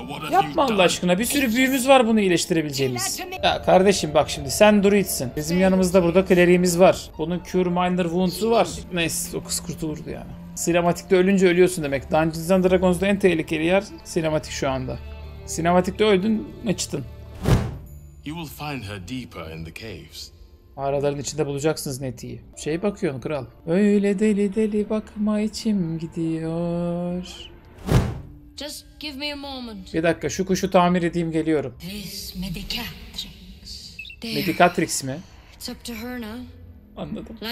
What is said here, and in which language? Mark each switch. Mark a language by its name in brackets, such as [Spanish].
[Turkish] Yapma Allah aşkına, bir sürü büyümüz var bunu iyileştirebileceğimiz. Ya kardeşim bak şimdi, sen druidsin. Bizim yanımızda burada kleriğimiz var. Bunun Cure Minor Wounds'u var. Neyse, o kız kurtulurdu yani. Sinematikte ölünce ölüyorsun demek. Dungeons and Dragons'da en tehlikeli yer sinematik şu anda. Sinematikte öldün, açtın. [English] You will find her deeper in the caves. [Turkish] Mağaraların içinde bulacaksınız Neti'yi. Şey bakıyorsun kral. Öyle deli deli bakma içim gidiyor. [English] Just give me a moment. [Turkish] Bir dakika şu kuşu tamir edeyim geliyorum. [English] This Medicatrix. [Turkish] Medicatrix mi? [English] It's up to her now. [Turkish] Anladım.